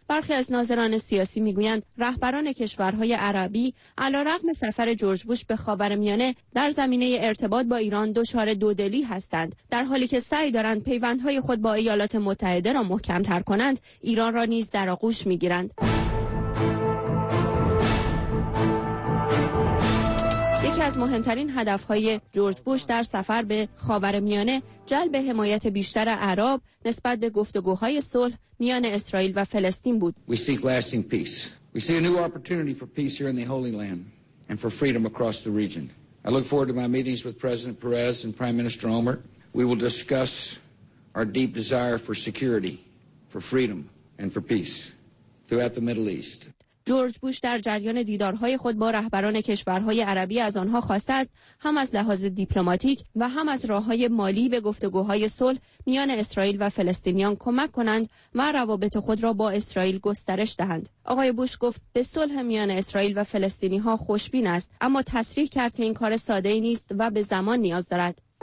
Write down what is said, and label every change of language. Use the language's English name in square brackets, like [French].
[Persian] برخی از ناظران سیاسی میگویند رهبران کشورهای عربی علارغم سفر جورج بوش به خاورمیانه در زمینه ارتباط با ایران دچار دودلی هستند، در حالی که سعی دارند پیوندهای خود با ایالات متحده را محکم‌تر کنند، ایران را نیز در آغوش می‌گیرند. یکی از مهمترین هدف‌های جورج بوش در سفر به خاورمیانه جلب حمایت بیشتر عرب نسبت به گفتگوهای صلح میان اسرائیل و فلسطین بود. [English] We seek lasting peace. We see a new opportunity for peace here in the Holy Land and for freedom across the region. I look forward to my meetings with President Perez and Prime Minister Olmert. We will discuss our deep desire for security, for freedom and for peace throughout the Middle East. [Persian] جورج بوش در جریان دیدارهای خود با رهبران کشورهای عربی از آنها خواسته است هم از لحاظ دیپلماتیک و هم از راه‌های مالی به گفتگوهای صلح میان اسرائیل و فلسطینیان کمک کنند و روابط خود را با اسرائیل گسترش دهند. آقای بوش گفت به صلح میان اسرائیل و فلسطینی‌ها خوشبین است، اما تصریح کرد که این کار ساده‌ای نیست و به زمان نیاز دارد.